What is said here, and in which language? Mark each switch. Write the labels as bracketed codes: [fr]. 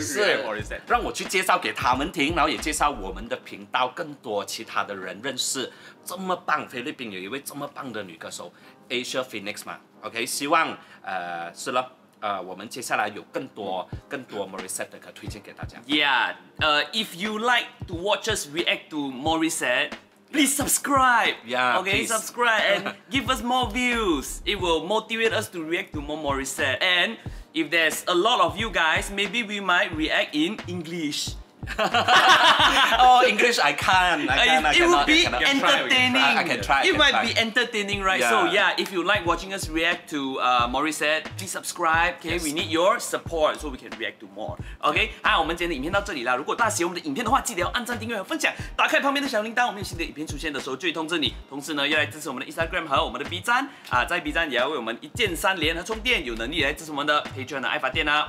[zh] 是让我去介绍给他们听，然后也介绍我们的频道更多其他的人认识这么棒，菲律宾有一位这么棒的女歌手 Asia Phoenix 嘛。 OK， 希望是了我们接下来有更多 Morissette 的歌推荐给大家。 [en] Yeah， if you like to watch us react to Morissette, please subscribe. Yeah, OK, please. Subscribe and give us more views. It will motivate us to react to more Morissette. AndIf there's a lot of you guys, maybe we might react in English. Oh, English, I can't. It would be entertaining. I can try. It might be entertaining, right? Yeah. So yeah, if you like watching us react to Morissette, please subscribe. Okay, yes. We need your support so we can react to more. [zh] Okay, 好，我们今天的影片到这里了。如果大家喜欢我们的影片的话，记得要按赞、订阅和分享。打开旁边的小铃铛，我们有新的影片出现的时候就会通知你。同时呢，要来支持我们的 Instagram 和我们的 B 站啊，在 B 站也要为我们一键三连和充电。有能力来支持我们的 Patreon 的爱发电啊。